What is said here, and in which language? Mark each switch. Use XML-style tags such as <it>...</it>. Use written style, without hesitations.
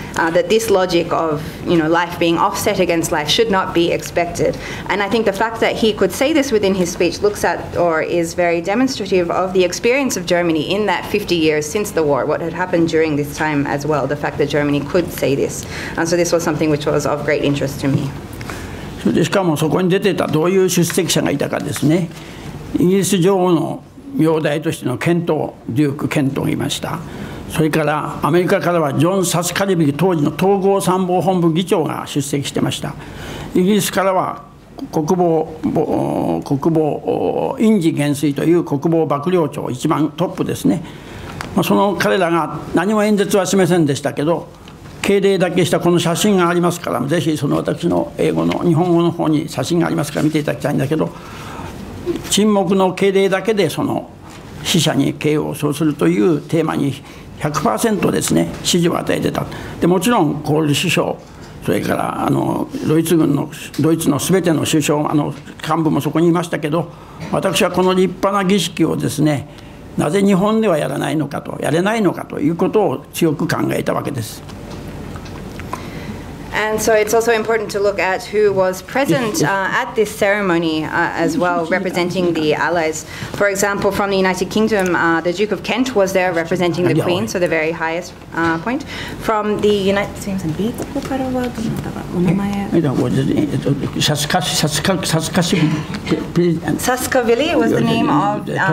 <en>That this logic of, you know, life being offset against life should not be expected. And I think the fact that he could say this within his speech looks at or is very demonstrative of the experience of Germany in that 50 years since the war, what had happened during this time as well, the fact that Germany could say this. And so this was something which was of great interest to me.</en> <ja>でしかもそこに出てたどういう出席者がいたかですね、イギリス女王の名代としてのケント、デューク・ケントがいました。それからアメリカからはジョン・サスカリビ当時の統合参謀本部議長が出席してました。イギリスからは国防インジ元帥という国防幕僚長一番トップですね、まあ、その彼らが何も演説はしませんでしたけど、敬礼だけしたこの写真がありますから、ぜひその私の英語の日本語の方に写真がありますから見ていただきたいんだけど、沈黙の敬礼だけでその死者に敬意を表するというテーマに 100% ですね、支持を与えてた。でもちろんコール首相、それからあのドイツ軍のドイツの全ての首相、あの幹部もそこにいましたけど、私はこの立派な儀式をですね、なぜ日本ではやらないのかと、やれないのかということを強く考えたわけです。</ja> <en>And so it's also important to look at who was present at this ceremony as well, representing the Allies. For example, from the United Kingdom, the Duke of Kent was there representing the Queen, so the very highest point. From the Saskavili was the name of</en>